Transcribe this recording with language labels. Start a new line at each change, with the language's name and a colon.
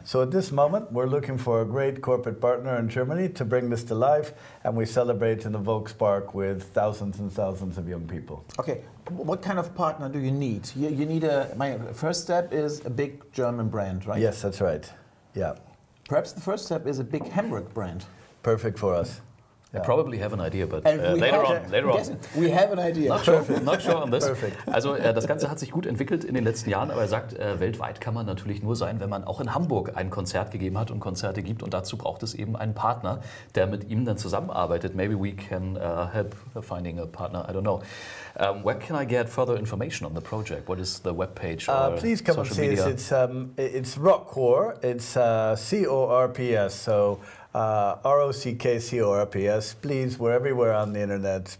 English: So at this moment, we're looking for a great corporate partner in Germany to bring this to life, and we celebrate in the Volkspark with thousands and thousands of young people. Okay. What kind of partner do you need? You need my first step is a big German brand, right? Yes, that's right. Yeah. Perhaps the first step is a big Hamburg brand. Perfect for us. Yeah. I probably have an idea, but later on. We have an idea. Not sure on this. Perfect.
German: Also das Ganze hat sich gut entwickelt in den letzten Jahren, aber er sagt, weltweit kann man natürlich nur sein, wenn man auch in Hamburg ein Konzert gegeben hat und Konzerte gibt, und dazu braucht es eben einen Partner, der mit ihm dann zusammenarbeitet.
English: Maybe we can help finding a partner, I don't know. Where can I get further information on the project? What is the webpage or please come social and see media? Us. It's Rockcore. It's CORPS. So RockCorps. Please, we're everywhere on the internet.